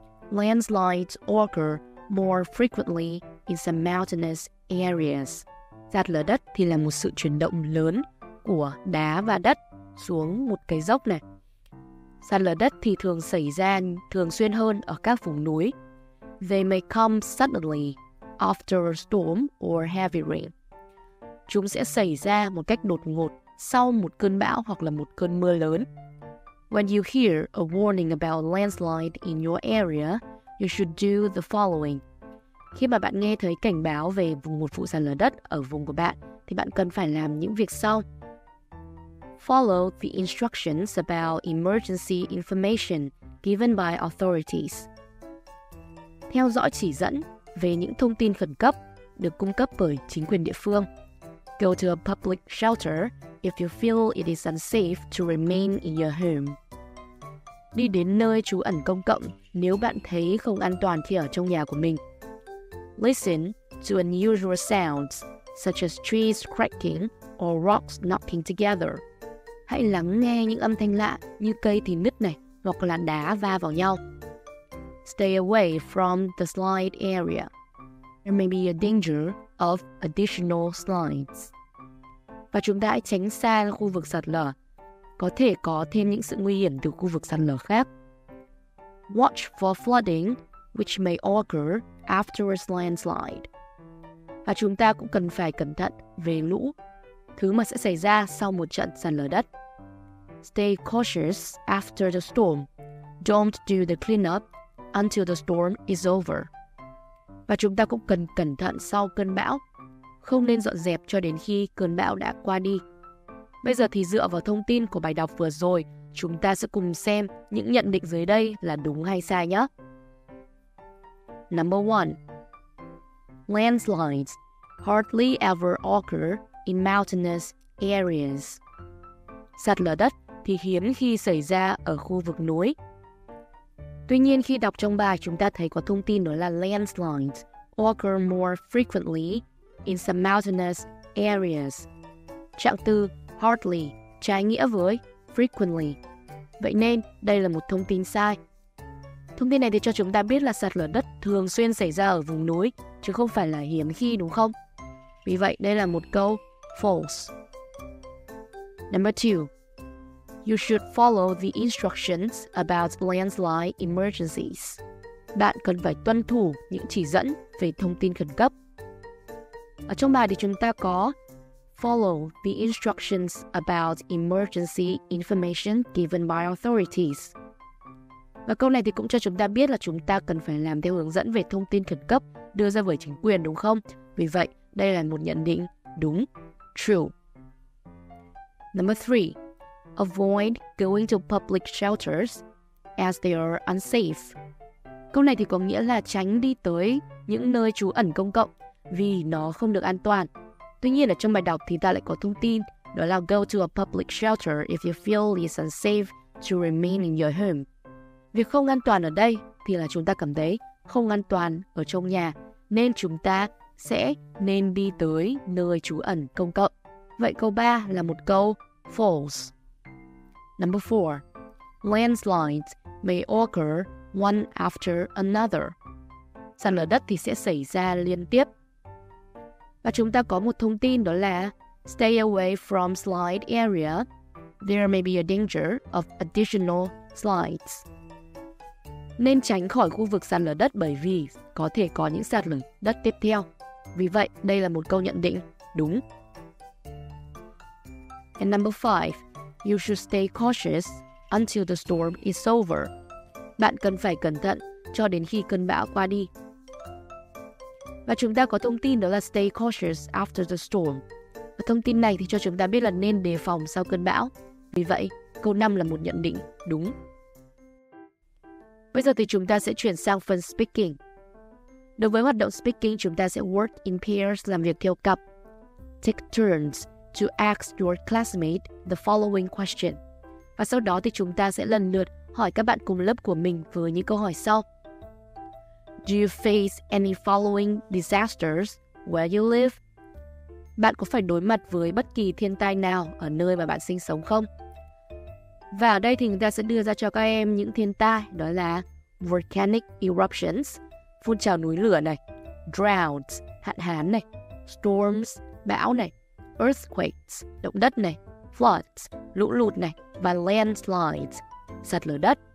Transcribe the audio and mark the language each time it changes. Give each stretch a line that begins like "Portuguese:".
English: Landslides occur more frequently in some mountainous areas.
Vietnamese: Sạt lở đất thì là một sự chuyển động lớn của đá và đất xuống một cái dốc này. Sạt lở đất thì thường xảy ra thường xuyên hơn ở các vùng núi.
English: They may come suddenly after a storm or heavy rain.
Vietnamese: Chúng sẽ xảy ra một cách đột ngột sau một cơn bão hoặc là một cơn mưa lớn.
English: When you hear a warning about landslide in your area, you should do the following.
Vietnamese: Khi mà bạn nghe thấy cảnh báo về vùng một vụ sạt lở đất ở vùng của bạn, thì bạn cần phải làm những việc sau.
English: Follow the instructions about emergency information given by authorities.
Vietnamese: Theo dõi chỉ dẫn về những thông tin khẩn cấp được cung cấp bởi chính quyền địa phương.
English: Go to a public shelter if you feel it is unsafe to remain in your home.
Vietnamese: Đi đến nơi trú ẩn công cộng nếu bạn thấy không an toàn khi ở trong nhà của mình.
English: Listen to unusual sounds such as trees cracking or rocks knocking together.
Vietnamese: Hãy lắng nghe những âm thanh lạ như cây thì nứt này hoặc là đá va vào nhau.
English: Stay away from the slide area. There may be a danger of additional slides.
Vietnamese: Và chúng ta hãy tránh xa khu vực sạt lở. Có thể có thêm những sự nguy hiểm từ khu vực sạt lở khác.
English: Watch for flooding, which may occur after a landslide.
Vietnamese: Và chúng ta cũng cần phải cẩn thận về lũ, thứ mà sẽ xảy ra sau một trận sạt lở đất.
English: Stay cautious after the storm. Don't do the cleanup until the storm is over.
Vietnamese: Và chúng ta cũng cần cẩn thận sau cơn bão. Không nên dọn dẹp cho đến khi cơn bão đã qua đi. Bây giờ thì dựa vào thông tin của bài đọc vừa rồi, chúng ta sẽ cùng xem những nhận định dưới đây là đúng hay sai nhé.
English: Number 1. Landslides hardly ever occur in mountainous areas.
Vietnamese: Sạt lở đất thì hiếm khi xảy ra ở khu vực núi. Tuy nhiên khi đọc trong bài chúng ta thấy có thông tin đó là
English: landslides occur more frequently in some mountainous areas.
Vietnamese: Trạng từ hardly trái nghĩa với frequently. Vậy nên đây là một thông tin sai. Thông tin này thì cho chúng ta biết là sạt lở đất thường xuyên xảy ra ở vùng núi chứ không phải là hiếm khi, đúng không? Vì vậy đây là một câu false.
English: Number 2. You should follow the instructions about landslide emergencies.
Vietnamese: Bạn cần phải tuân thủ những chỉ dẫn về thông tin khẩn cấp. Ở trong bài thì chúng ta có
English: follow the instructions about emergency information given by authorities.
Vietnamese: Và câu này thì cũng cho chúng ta biết là chúng ta cần phải làm theo hướng dẫn về thông tin khẩn cấp đưa ra bởi chính quyền, đúng không? Vì vậy, đây là một nhận định đúng, true.
English: Number 3. Avoid going to public shelters as they are unsafe.
Vietnamese: Câu này thì có nghĩa là tránh đi tới những nơi trú ẩn công cộng vì nó không được an toàn. Tuy nhiên ở trong bài đọc thì ta lại có thông tin đó là
English: go to a public shelter if you feel it's unsafe to remain in your home.
Vietnamese: Việc không an toàn ở đây thì là chúng ta cảm thấy không an toàn ở trong nhà nên chúng ta sẽ nên đi tới nơi trú ẩn công cộng. Vậy câu 3 là một câu false.
English: Number 4. Landslides may occur one after another.
Vietnamese: Sạt lở đất thì sẽ xảy ra liên tiếp. Và chúng ta có một thông tin đó là
English: stay away from slide area. There may be a danger of additional slides.
Vietnamese: nên tránh khỏi khu vực sạt lở đất bởi vì có thể có những sạt lở đất tiếp theo. Vì vậy, đây là một câu nhận định đúng.
English: And number 5, you should stay cautious until the storm is over.
Vietnamese: Bạn cần phải cẩn thận cho đến khi cơn bão qua đi. Và chúng ta có thông tin đó là
English: stay cautious after the storm.
Vietnamese: Và thông tin này thì cho chúng ta biết là nên đề phòng sau cơn bão. Vì vậy, câu 5 là một nhận định đúng. Bây giờ thì chúng ta sẽ chuyển sang phần speaking. Đối với hoạt động speaking, chúng ta sẽ
English: work in pairs,
Vietnamese: làm việc theo cặp.
English: Take turns to ask your classmate the following question.
Vietnamese: Và sau đó thì chúng ta sẽ lần lượt hỏi các bạn cùng lớp của mình với những câu hỏi sau.
English: Do you face any following disasters where you live?
Vietnamese: Bạn có phải đối mặt với bất kỳ thiên tai nào ở nơi mà bạn sinh sống không? Và ở đây thì người ta sẽ đưa ra cho các em những thiên tai, đó là volcanic eruptions, phun trào núi lửa này, droughts, hạn hán này, storms, bão này, earthquakes, động đất này, floods, lũ lụt này, và landslides, sạt lở đất.